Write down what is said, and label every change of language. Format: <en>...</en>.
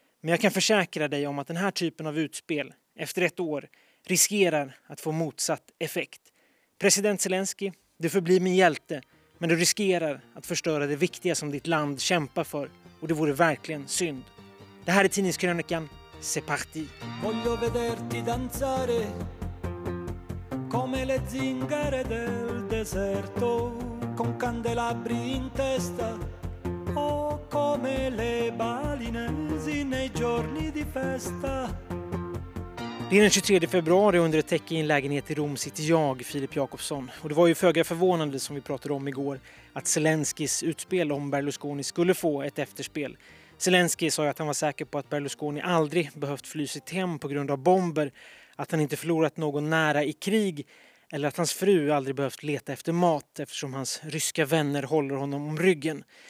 <sv>Men jag kan försäkra dig om att den här typen av utspel, efter ett år, riskerar att få motsatt effekt. President Zelensky, du förblir min hjälte, men du riskerar att förstöra det viktiga som ditt land kämpar för. Och det vore verkligen synd. Det här är tidningskrönikan.</sv> <fr>C'est parti!</fr> <it>Voglio vederti danzare come le zingare del deserto con candelabri in testa. Oh, come le balinesi nei giorni di festa.</it> <sv>Det är den 23 februari under ett täcke i en lägenhet i Rom sitter jag, Filip Jakobsson. Och det var ju föga förvånande som vi pratade om igår att Zelenskis utspel om Berlusconi skulle få ett efterspel. Zelensky sa ju att han var säker på att Berlusconi aldrig behövt fly sitt hem på grund av bomber, att han inte förlorat någon nära i krig eller att hans fru aldrig behövt leta efter mat eftersom hans ryska vänner håller honom om ryggen.</sv>